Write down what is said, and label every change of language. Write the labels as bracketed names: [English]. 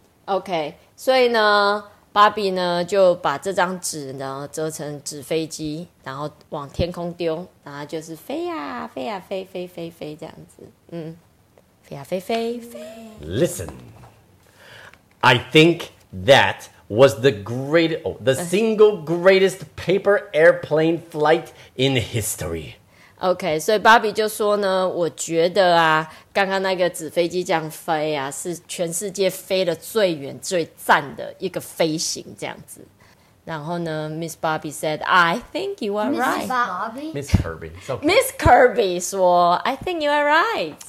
[Chinese] Okay, 所以呢 ，Bobby 呢就把这张纸呢折成纸飞机，然后往天空丢，然后就是飞呀、啊、飞呀、啊、飞飞飞飞这样子，飞呀、啊、飞飞飞。 [English] Listen, I think that was the great, the single greatest paper airplane flight in history. [Chinese] OK, 所以 Bobby 就说呢，我觉得啊，刚刚那个纸飞机这样飞啊，是全世界飞的最远、最赞的一个飞行这样子。然后呢 [English] ，Miss Bobby said, "I think you are right." Miss Bobby, Miss Kirby,、okay. Miss Kirby 说 ，"I think you are right."